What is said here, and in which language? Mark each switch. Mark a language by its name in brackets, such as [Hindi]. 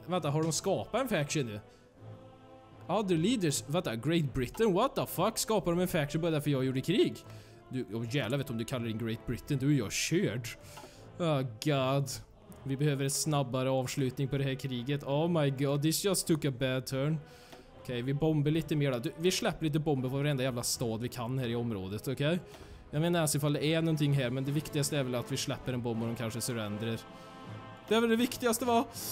[Swedish] Vänta, har de skapat en faction nu? [English] Other leaders, [Swedish] vänta, Great Britain, [English] what the fuck, [Swedish] skapar de en faction bara därför jag gjorde krig? Du, oh, jävlar vet om du kallar in Great Britain, du är jag körd. Oh god, vi behöver en snabbare avslutning på det här kriget. [English] Oh my god, this just took a bad turn. [Swedish] Okej, okay, vi bomber lite mer då. Du, vi släpper lite bomber på varenda jävla stad vi kan här i området, okej? Okay? Jag menar ifall det är någonting här, men det viktigaste är väl att vi släpper en bomb och de kanske surrenderar. Det är väl det viktigaste va?